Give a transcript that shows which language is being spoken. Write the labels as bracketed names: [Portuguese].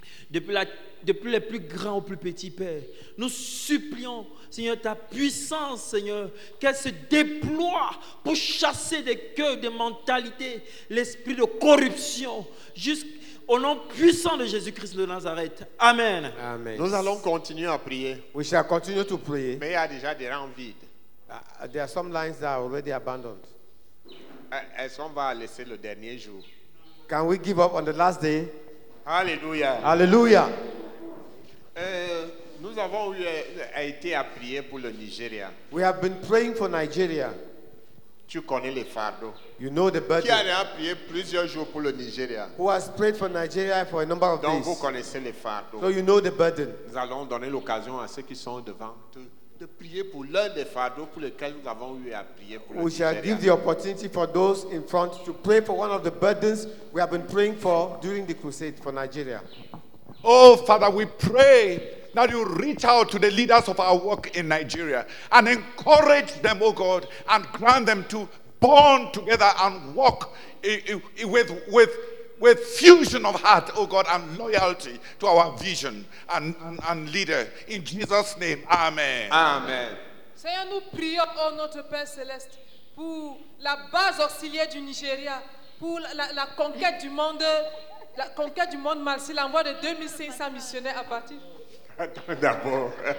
[French] Depuis les plus grands aux plus petits, Père, nous supplions, Seigneur, ta puissance, Seigneur, qu'elle se déploie pour chasser des cœurs, des mentalités, l'esprit de corruption, jusqu'au nom puissant de Jésus-Christ de Nazareth. Amen. Amen. Nous allons continuer à prier. Oui, je vais continuer à prier. Mais il y a déjà des rangs vides. [English] There are some lines that are already abandoned. [French] Est-ce qu'on va laisser le dernier jour? [English] Can we give up on the last day? Hallelujah. Hallelujah. [French] Nous avons été à prier pour le Nigeria. [English] We have been praying for Nigeria. [French] Tu connais les fardeaux. [English] You know the burden. [French] Qui a prié plusieurs jours pour le Nigeria? [English] Who has prayed for Nigeria for a number of days? [French] Donc vous connaissez les fardeaux. [English] So you know the burden. [French] Nous allons donner l'occasion à ceux qui sont devant tout. De prier pour l'un des fardeaux pour lesquels nous avons eu à prier pour le Nigeria. [English] We shall give the opportunity for those in front to pray for one of the burdens we have been praying for during the crusade for Nigeria. Oh, Father, we pray that you reach out to the leaders of our work in Nigeria and encourage them, oh God, and grant them to bond together and walk with with fusion of heart, oh God, and loyalty to our vision and leader. In Jesus' name, amen. Amen. [French] Seigneur, nous prions, oh notre Père Céleste, pour la base auxiliaire du Nigeria, pour la conquête du monde, la conquête du monde malsain, l'envoi de 2500 missionnaires à partir. Attends d'abord.